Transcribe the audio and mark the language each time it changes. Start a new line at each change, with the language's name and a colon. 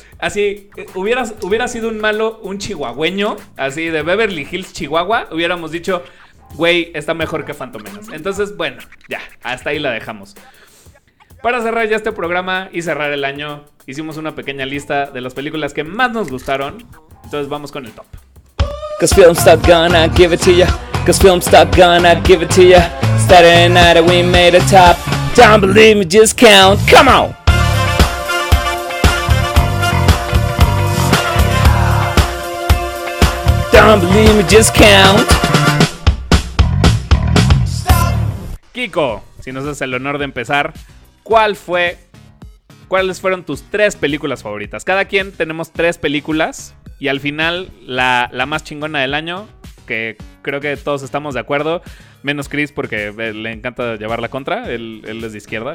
Spanish: Así, hubiera sido un malo, un chihuahueño, así de Beverly Hills, Chihuahua, hubiéramos dicho, güey, está mejor que Phantom Menace. Entonces, bueno, ya, hasta ahí la dejamos. Para cerrar ya este programa y cerrar el año, hicimos una pequeña lista de las películas que más nos gustaron. Entonces vamos con el top.
English: Cause film stop gonna give it to ya. Cause film stop gonna give it to ya. Saturday night we made a top. Don't believe me, just count. Come on. Don't believe me, just count.
Spanish: Kiko, si nos das el honor de empezar, ¿cuáles fueron tus tres películas favoritas? Cada quien tenemos tres películas. Y al final, la más chingona del año, que creo que todos estamos de acuerdo, menos Chris porque le encanta llevar la contra, él es de izquierda,